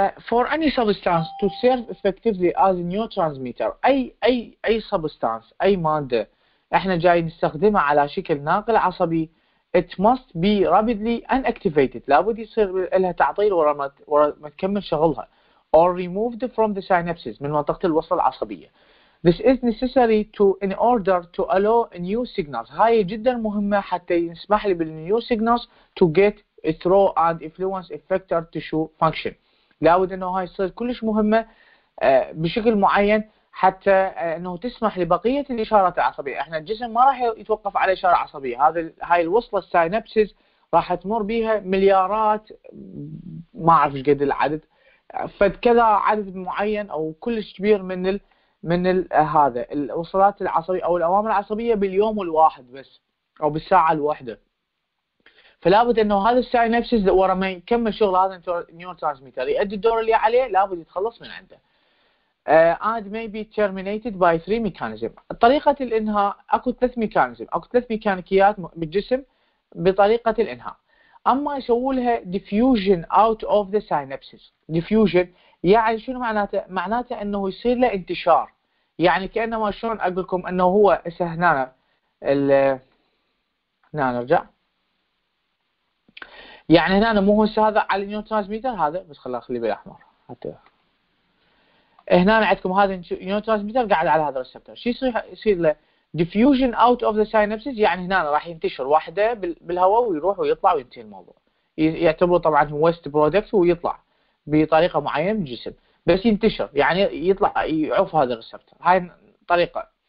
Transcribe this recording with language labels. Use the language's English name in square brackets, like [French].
[English] For any substance to serve effectively as a neurotransmitter, [Arabic] أي substance، أي مادة إحنا جاي نستخدمها على شكل ناقل عصبي، [English] it must be rapidly unactivated، [Arabic] لابد يصير لها تعطيل ورا ما تكمل شغلها، [English] or removed from the synapses، [Arabic] من منطقة الوصل العصبية. [English] This is necessary to in order to allow new signals، [Arabic] هاي جدا مهمة حتى يسمح لي [English] بالnew signals to get through and influence effector tissue function. [Arabic] لابد انه هاي تصير كلش مهمه بشكل معين حتى انه تسمح لبقيه الاشارات العصبيه. احنا الجسم ما راح يتوقف على اشاره عصبيه، هاي الوصله السينابسز راح تمر بيها مليارات، ما اعرف ايش قد العدد، فد كذا عدد معين او كلش كبير من الـ هذا الوصلات العصبيه او الاوامر العصبيه باليوم الواحد بس او بالساعه الواحده. فلابد انه هذا السينابسز ورا ما يكمل شغل هذا النيورو ترانسميتر يؤدي الدور اللي عليه لابد يتخلص من عنده. [English] And may be terminated by three mechanisms. [Arabic] طريقة الانهاء اكو ثلاث ميكانيزم، اكو ثلاث ميكانيكيات بالجسم بطريقة الانهاء. اما يسووا لها [English] diffusion out of the synapses. [Arabic] Diffusion يعني شنو معناته؟ معناته انه يصير له انتشار. يعني كأنما شلون اقول لكم انه هو هنا هنا نرجع. يعني هنا مو هسه هذا على النيورو ترانسميتر هذا، بس خلي بالاحمر حتى هنا عندكم هذا النيورو ترانسميتر قاعد على هذا الريسبتور، شو يصير له؟ [English] diffusion out of the synapses, [Arabic] يعني هنا راح ينتشر واحده بالهواء ويروح ويطلع وينتهي الموضوع، يعتبر طبعا هو ويست برودكت ويطلع بطريقه معينه من الجسم، بس ينتشر يعني يطلع يعوف هذا الريسبتور. هاي طريقه.